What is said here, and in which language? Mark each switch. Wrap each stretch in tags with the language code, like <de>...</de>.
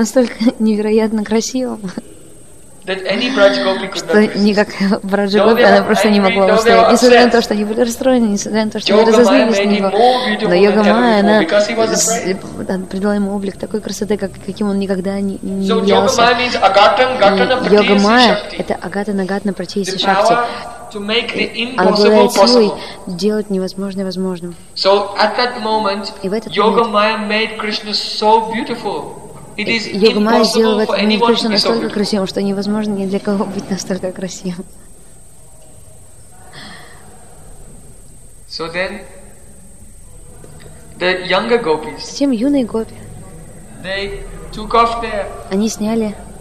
<ru>настолько невероятно красивым, что никакая Браджа-гопи она просто не могла устоять, несмотря на то, что они были расстроены, несмотря на то, что они разозлились на него. Но йога майя она придала ему облик такой красоты, каким он никогда не являлся. Йога майя это агата-нагатна пратейси шакти.</ru> <en>To make the impossible possible.</en> <ru>Делать невозможное возможным.</ru> <en>So at that moment, Yoga Maya made Krishna so beautiful. It is impossible for anyone to be so</en> <ru>настолько красивым, что невозможно ни для кого быть настолько красивым.</ru> <en>So then, the younger gopis.</en> <ru>Затем юные гопи.</ru> <en>They took off their.</en> <ru>Они сняли.</ru>